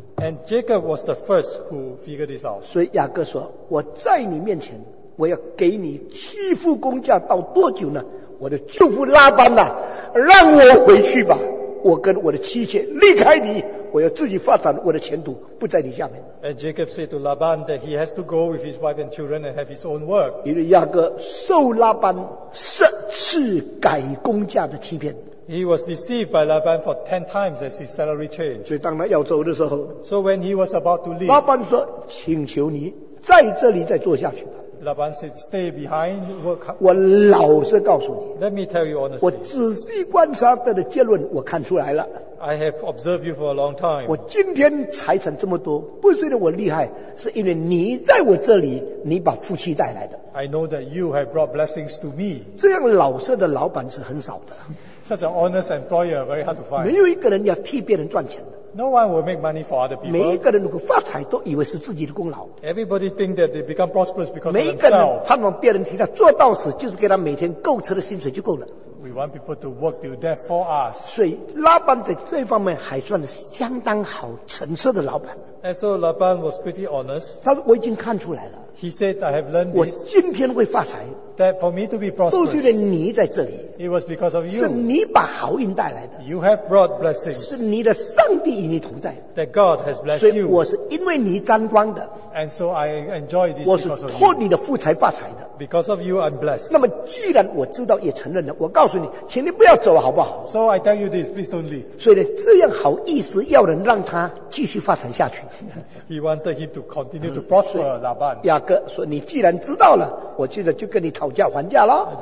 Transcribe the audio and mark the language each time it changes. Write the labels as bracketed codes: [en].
[en] ？And Jacob was the first who figured this out. [zh] 所以雅各说：“我在你面前，我要给你七夫公价到多久呢？我的舅父拉班呐、啊，让我回去吧。” 我跟我的妻妾离开你，我要自己发展我的前途，不在你下面。 [en] And Jacob said to Laban that he has to go with his wife and children and have his own work. [zh] 因为雅各受拉班十次改工价的欺骗。 [en] He was deceived by Laban for 10 times as his salary changed. [zh] 所以当他要走的时候 [en] ，So when he was about to leave, [zh] 拉班说：“请求你在这里再做下去吧。” [en] Laban said, "Stay behind, work." [zh] 我老实告诉你 [en] ，Let me tell you honestly. [zh] 我仔细观察他的结论，我看出来了。 [en] I have observed you for a long time. [zh] 我今天财产这么多，不是因为我厉害，是因为你在我这里，你把福气带来的。 [en] I know that you have brought blessings to me. [zh] 这样老实的老板是很少的。 [en] Such an honest employer very hard to find. [zh] 没有一个人要替别人赚钱的。 [en] No one will make money for other people. [zh] 每一个人如果发财，都以为是自己的功劳。 [en] Everybody think that they become prosperous because of themselves. [zh] 每一个人盼望别人替他做到死，就是给他每天够吃的薪水就够了。 [en] We want people to work till death for us. [zh] 所以拉班在这方面还算相当好诚实的老板。 [en] And so Laban was pretty honest. [zh] 他说我已经看出来了。 [en] He said, I have learned this. [zh] 我今天会发财。 [en] That for me to be prosperous. [zh] 都是因为你在这里。 [en] It was because of you. [zh] 是你把好运带来的。 [en] You have brought blessings. [zh] 是你的上帝与你同在。 [en] That God has blessed you. [zh] 所以我是因为你沾光的。 [en] And so I enjoy this because of you. [zh] 我是托你的福才发财的。 [en] Because of you, I'm blessed. [zh] 那么既然我知道也承认了，我告诉你，请你不要走好不好？ [en] So I tell you this, please don't leave. [zh] 所以这样好意思要人让他继续发财下去。 [en] He wanted him to continue to prosper, Laban. [zh] 雅各说，你既然知道了，我记得就跟你讨价还价了。